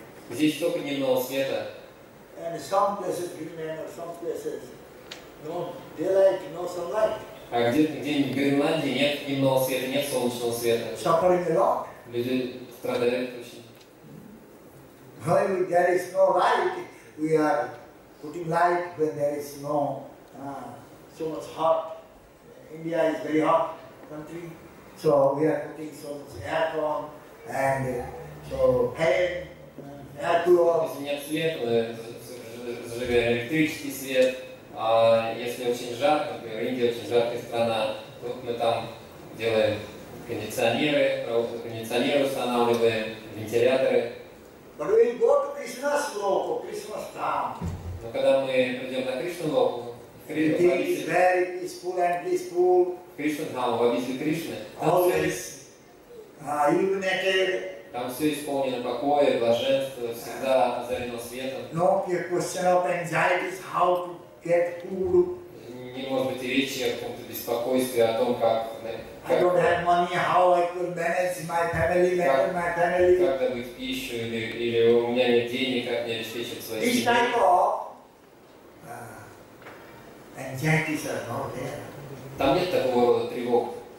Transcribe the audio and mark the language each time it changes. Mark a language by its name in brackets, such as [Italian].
[Russian] Здесь столько дневного света. А где-то где-нибудь в Гренландии нет дневного света, нет солнечного света. Люди страдают очень. [English] When there is no light, we are putting light when there is no so much hot. India is very hot country, so we are putting so much aircon and so fan, air cooler. [Russian] Если нет света, зажигаем электрический свет. А если очень жарко, например, Индия очень жаркая страна, вот мы там делаем кондиционеры, кондиционеры устанавливаем, вентиляторы. [English] But we go to Krishna's loka, Krishna's town. [Russian] Но когда мы придем на Кришну локу, [English] it is very peaceful and peaceful. [Russian] Кришна там, в обители Кришны. [English] Always illuminated. [Russian] Там все исполнено покоя, блаженства, всегда озарено светом. [English] No question of anxieties, how to get food. [Russian] Не может быть и речи о каком-то беспокойстве, о том, как... [English] I don't have money, how I could manage my family, manage my family. [Russian] Как добыть пищу, или у меня нет денег, как мне обеспечить свои деньги. [English] This type of anxieties are not there. [Russian] Там нет такого рода тревог.